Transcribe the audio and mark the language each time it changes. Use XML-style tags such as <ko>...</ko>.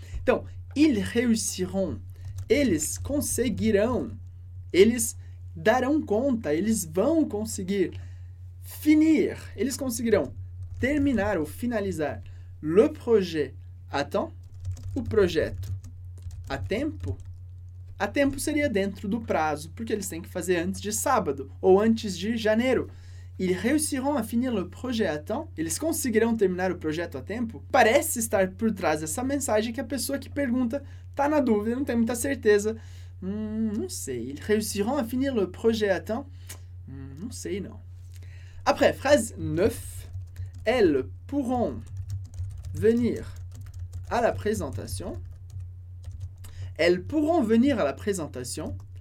<pt>Então,</pt> <fr>ils réussiront,</fr> <pt>eles conseguirão, eles darão conta, eles vão conseguir. Finir, eles conseguirão terminar ou finalizar.</pt> <fr>Le projet à temps,</fr> <pt>o projeto a tempo. A tempo seria dentro do prazo, porque eles têm que fazer antes de sábado ou antes de janeiro.</pt> <fr>Ils réussiront à finir le projet à temps?</fr> <pt>Eles conseguirão terminar o projeto a tempo? Parece estar por trás dessa mensagem que a pessoa que pergunta está na dúvida, não tem muita certeza. Não sei.</pt> <fr>Ils réussiront à finir le projet à temps?</fr> <pt>Não sei, não.</pt> <fr>Après, phrase 9. Elles pourront venir à la présentation. Elles pourront venir à la présentation.</fr>